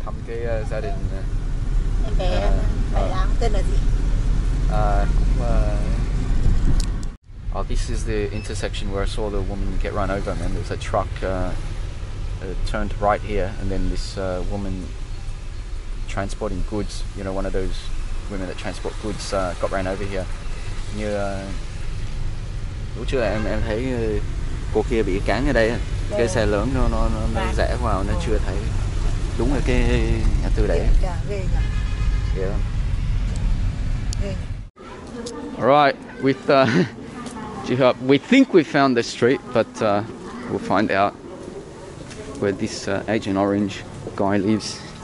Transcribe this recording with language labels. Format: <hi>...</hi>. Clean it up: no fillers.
<en>Is that in oh, this is the intersection where I saw the woman get run over, man. There's a truck turned right here, and then this woman transporting goods, you know, one of those women that transport goods, got ran over here.</en> <vi>Như lúc trước em thấy cô kia bị cán ở đây, cái xe lớn nó rẽ vào, nó chưa thấy đúng là cái ngã tư đấy.</vi> <en>Yeah. Right, with Chihub, we think we found the street, but we'll find out where this Agent Orange guy lives.</en>